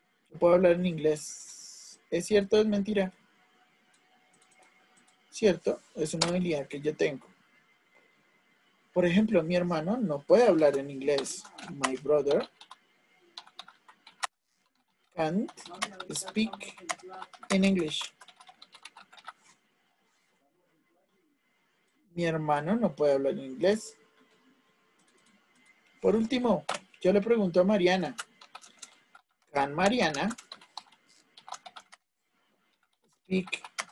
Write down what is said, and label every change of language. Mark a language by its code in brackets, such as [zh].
[es] Yo puedo hablar en inglés. ¿Es cierto o es mentira? ¿Cierto? Es una habilidad que yo tengo. Por ejemplo, mi hermano no puede hablar en inglés. [en] My brother can't speak in English. [es] Mi hermano no puede hablar en inglés. Por último, yo le pregunto a Mariana. [en] ¿Can Mariana speak?